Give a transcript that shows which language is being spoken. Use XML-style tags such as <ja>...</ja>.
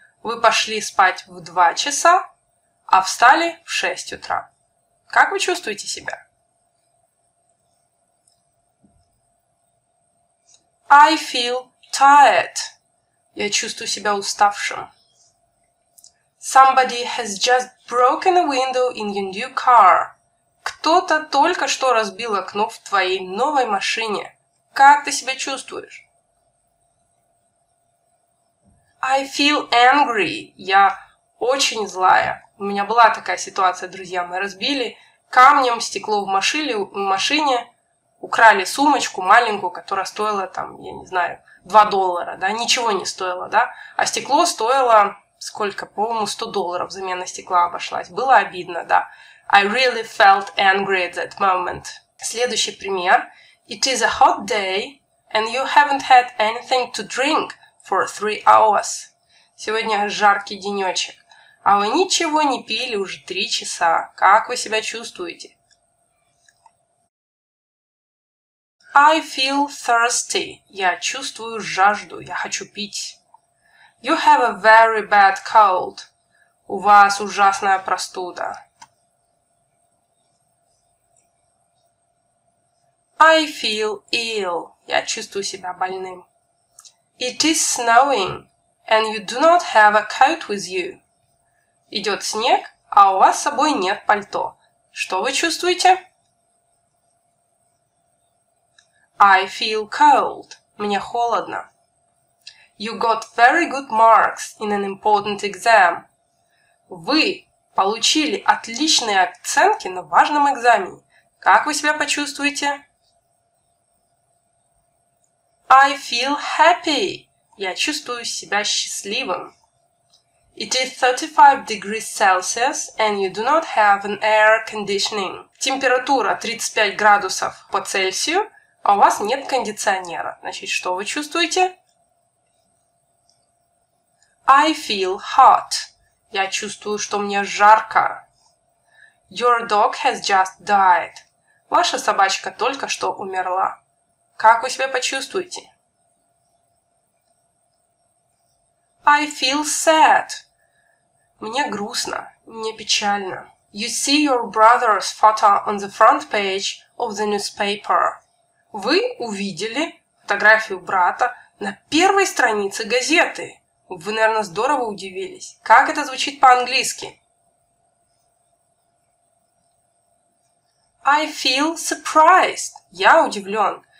<ru>Вы пошли спать в 2 часа, а встали в 6 утра. Как вы чувствуете себя?</ru> <en>I feel tired.</en> <ru>Я чувствую себя уставшим.</ru> <en>Somebody has just broken a window in your new car.</en> <ru>Кто-то только что разбил окно в твоей новой машине. Как ты себя чувствуешь?</ru> <en>I feel angry.</en> <ru>Я очень злая. У меня была такая ситуация, друзья. Мы разбили камнем стекло в машине. украли сумочку маленькую, которая стоила там, я не знаю, $2, да, ничего не стоило, да, а стекло стоило сколько, по-моему, $100 замена стекла обошлась. Было обидно, да.</ru> <en>I really felt angry at that moment.</en> <ru>Следующий пример.</ru> <en>It is a hot day, and you haven't had anything to drink for 3 hours.</en> <ru>Сегодня жаркий денечек, а вы ничего не пили уже 3 часа. Как вы себя чувствуете?</ru> <en>I feel thirsty.</en> <ru>Я чувствую жажду, я хочу пить.</ru> <en>You have a very bad cold.</en> <ru>У вас ужасная простуда.</ru> <en>I feel ill.</en> <ru>Я чувствую себя больным.</ru> <en>It is snowing, and you do not have a coat with you.</en> <ru>Идет снег, а у вас с собой нет пальто. Что вы чувствуете?</ru> <en>I feel cold.</en> <ru>Мне холодно.</ru> <en>You got very good marks in an important exam.</en> <ru>Вы получили отличные оценки на важном экзамене. Как вы себя почувствуете?</ru> <en>I feel happy.</en> <ru>Я чувствую себя счастливым.</ru> <en>It is 35 degrees Celsius, and you do not have an air conditioning.</en> <ru>Температура 35 градусов по Цельсию, а у вас нет кондиционера. Значит, что вы чувствуете?</ru> <en>I feel hot.</en> <ru>Я чувствую, что мне жарко.</ru> <en>Your dog has just died.</en> <ru>Ваша собачка только что умерла. Как вы себя почувствуете?</ru> <en>I feel sad.</en> <ru>Мне грустно, мне печально.</ru> <en>You see your brother's photo on the front page of the newspaper.</en> <ru>Вы увидели фотографию брата на первой странице газеты. Вы, наверное, здорово удивились. Как это звучит по-английски?</ru> <en>I feel surprised.</en> <ru>Я удивлен.</ru>